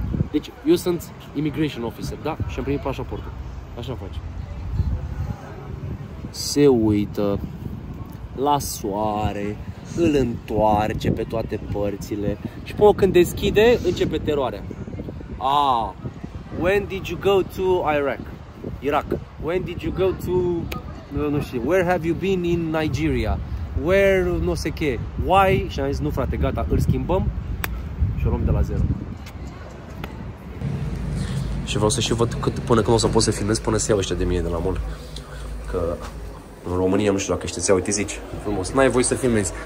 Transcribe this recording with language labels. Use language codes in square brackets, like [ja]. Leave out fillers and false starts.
[ro] Deci, eu sunt Immigration Officer, da? Și am primit pașaportul. Așa face. Se uită la soare, îl întoarce pe toate părțile și până când deschide, începe teroarea. [en] Ah, when did you go to Iraq? Iraq. When did you go to, [ro] nu știu, [en] where have you been in Nigeria? Where, nu se che, why? [ro] Și am zis, nu frate, gata, îl schimbăm și o luăm de la zero. Și vreau să și văd cât, până când o să pot să filmez, până se iau ăștia de mine de la mall. Că în România, nu știu dacă știți, uite, zici, frumos, n-ai voie să filmezi.